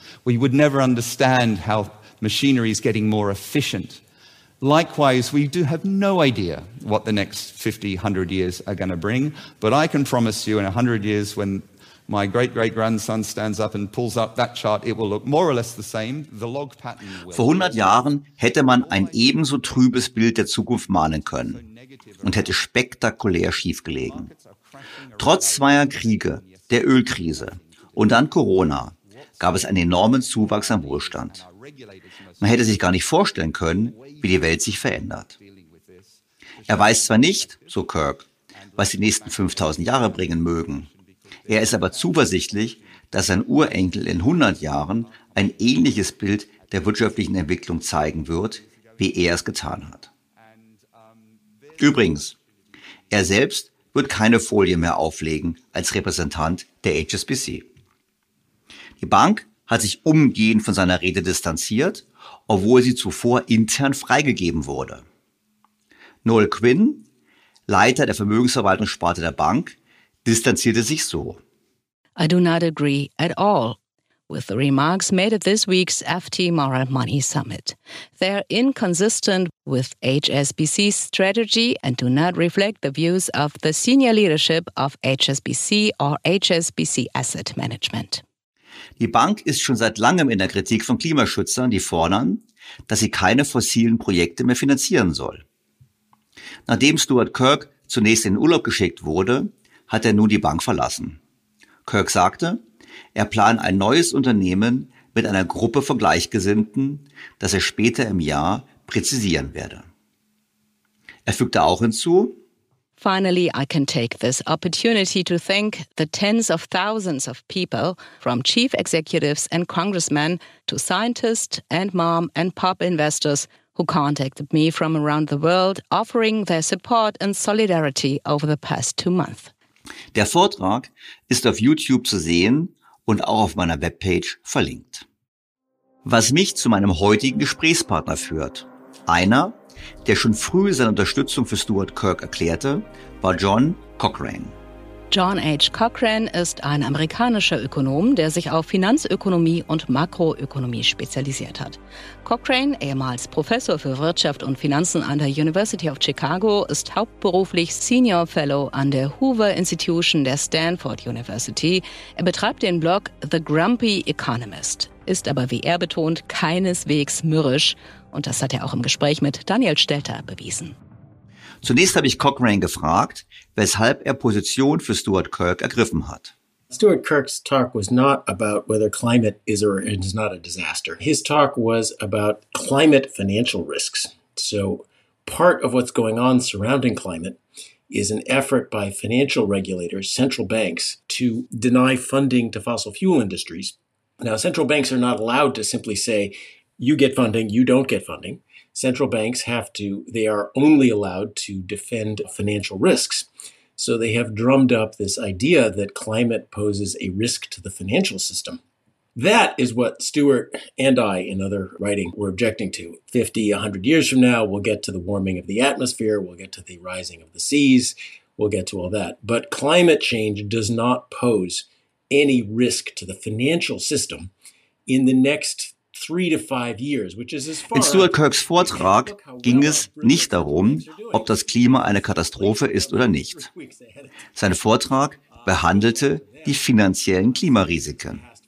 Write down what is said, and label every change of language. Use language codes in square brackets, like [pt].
[en] We would never understand how machinery is getting more efficient. Likewise, we do have no idea what the next 50, 100 years are going to bring. But I can promise you in 100 years, when my great-great-grandson stands up and pulls up that chart, it will look more or less the same. The log pattern will. [de] Vor 100 Jahren hätte man ein ebenso trübes Bild der Zukunft malen können und hätte spektakulär schiefgelegen. Trotz zweier Kriege, der Ölkrise und dann Corona gab es einen enormen Zuwachs an Wohlstand. Man hätte sich gar nicht vorstellen können, wie die Welt sich verändert. Er weiß zwar nicht, so Kirk, was die nächsten 5000 Jahre bringen mögen, er ist aber zuversichtlich, dass sein Urenkel in 100 Jahren ein ähnliches Bild der wirtschaftlichen Entwicklung zeigen wird, wie er es getan hat. Übrigens, er selbst wird keine Folie mehr auflegen als Repräsentant der HSBC. Die Bank hat sich umgehend von seiner Rede distanziert, obwohl sie zuvor intern freigegeben wurde. Noel Quinn, Leiter der Vermögensverwaltungssparte der Bank, distanzierte sich so. [en] I do not agree at all with the remarks made at this week's FT Moral Money Summit. They are inconsistent with HSBC's strategy and do not reflect the views of the senior leadership of HSBC or HSBC Asset Management. [de] Die Bank ist schon seit langem in der Kritik von Klimaschützern, die fordern, dass sie keine fossilen Projekte mehr finanzieren soll. Nachdem Stuart Kirk zunächst in den Urlaub geschickt wurde, hat er nun die Bank verlassen. Kirk sagte, er plane ein neues Unternehmen mit einer Gruppe von Gleichgesinnten, das er später im Jahr präzisieren werde. Er fügte auch hinzu, [en] Finally, I can take this opportunity to thank the tens of thousands of people, from chief executives and congressmen to scientists and mom and pop investors who contacted me from around the world, offering their support and solidarity over the past 2 months. [de] Der Vortrag ist auf YouTube zu sehen und auch auf meiner Webpage verlinkt. Was mich zu meinem heutigen Gesprächspartner führt. Einer, der schon früh seine Unterstützung für Stuart Kirk erklärte, war John Cochrane. John H. Cochrane ist ein amerikanischer Ökonom, der sich auf Finanzökonomie und Makroökonomie spezialisiert hat. Cochrane, ehemals Professor für Wirtschaft und Finanzen an der University of Chicago, ist hauptberuflich Senior Fellow an der Hoover Institution der Stanford University. Er betreibt den Blog The Grumpy Economist, ist aber, wie er betont, keineswegs mürrisch. Und das hat er auch im Gespräch mit Daniel Stelter bewiesen. Zunächst habe ich Cochrane gefragt, weshalb er Position für Stuart Kirk ergriffen hat. [en] Stuart Kirk's talk was not about whether climate is or is not a disaster. His talk was about climate financial risks. So part of what's going on surrounding climate is an effort by financial regulators, central banks, to deny funding to fossil fuel industries. Now, central banks are not allowed to simply say, you get funding, you don't get funding. central banks have to, they are only allowed to defend financial risks. So they have drummed up this idea that climate poses a risk to the financial system. That is what Stuart and I, in other writing, were objecting to. 50, 100 years from now, we'll get to the warming of the atmosphere, we'll get to the rising of the seas, we'll get to all that. But climate change does not pose any risk to the financial system in the next 3 to 5 years, which is as far. [de] In Stuart Kirk's Vortrag ging es nicht darum, ob das Klima eine Katastrophe ist oder nicht. Sein Vortrag behandelte die finanziellen Klimarisiken.